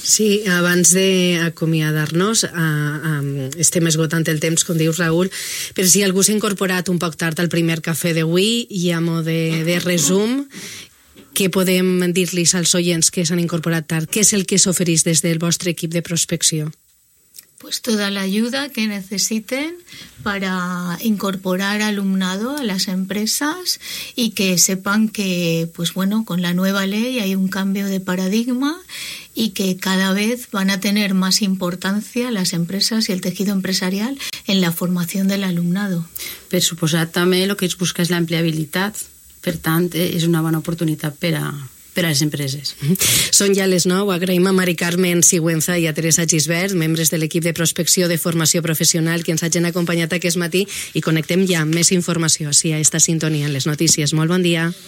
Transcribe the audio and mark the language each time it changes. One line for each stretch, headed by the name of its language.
Catalan: Sí, abans d'acomiadar-nos, estem esgotant el temps, com dius, Raül, però si algú s'ha incorporat un poc tard al primer cafè d'avui, i a mode de resum, què podem dir-li als oients que s'han incorporat tard? Què és el que s'oferís des del vostre equip de prospecció?
Spanish: Pues toda la ayuda que necesiten para incorporar alumnado a las empresas y que sepan que, pues bueno, con la nueva ley hay un cambio de paradigma y que cada vez van a tener más importancia las empresas y el tejido empresarial en la formación del alumnado.
Catalan: Per suposat, també lo que es busca es la empleabilitat, per tant, és una bona oportunitat per a les empreses. Són ja les 9. Agraïm a Mari Carmen Sigüenza i a Teresa Gisbert, membres de l'equip de prospecció de formació professional, que ens hagin acompanyat aquest matí, i connectem ja amb més informació a esta sintonia en les notícies. Molt bon dia.